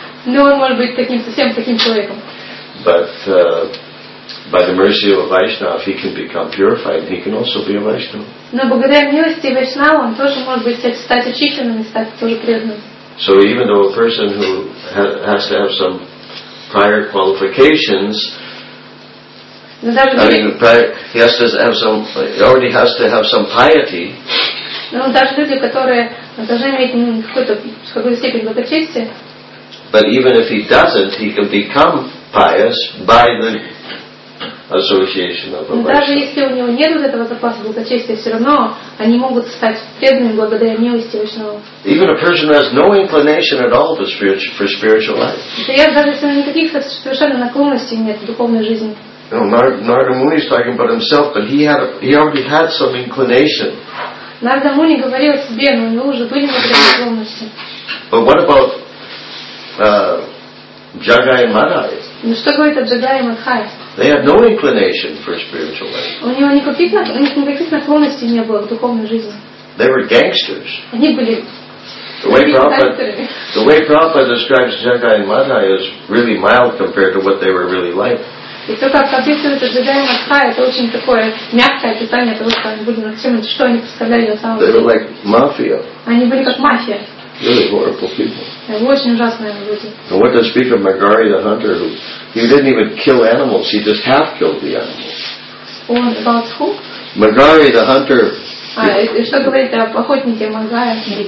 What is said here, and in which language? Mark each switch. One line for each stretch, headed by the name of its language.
Russian: Но он может быть таким, совсем таким человеком.
English: But by the mercy of a Vaishnava, he can become purified. He can also be a Vaishnava.
Russian: Но благодаря милости Вайшнава он тоже может быть стать очищенным и стать тоже преданным.
English: So even though a person who has to have some prior qualifications, already has to have some piety.
Russian: Но даже люди, которые должны иметь какую-то степень благочестия.
English: But even if he doesn't, he can become pious by the association of a Vaishnava.
Russian: Даже если у него нет вот этого запаса благочестия, все равно они могут стать преданными благодаря милости Вайшнава.
English: Even a person has no inclination at all for spiritual life.
Russian: Даже если у него никаких совершенно наклонностей нет в духовной жизни.
English: Нарада Муни is talking about himself, but he already had some inclination.
Russian: Нарада Муни говорил о себе, но у него уже были некоторые наклонности.
English: But what about Jagai Madhai?
Russian: Ну что говорит о Джагай Мадхай?
English: They had no inclination for spiritual life.
Russian: У него никаких наклонностей не было в духовной жизни.
English: They were gangsters.
Russian: Они были.
English: The way Prabhupada describes Jagai Madhai is really mild compared to what they were really like.
Russian: И то, как описывают Джагай Мадхай, это очень такое мягкое описание того, что они были на всем, что они представляли на самом деле.
English: They were like mafia.
Russian: Они были как мафия.
English: Really horrible people.
Russian: Очень ужасные люди.
English: And what does speak of Magari the hunter, who he didn't even kill animals, he just half killed the animals. And about who? Magari the hunter.
Russian: И что говорит о охотнике Магари?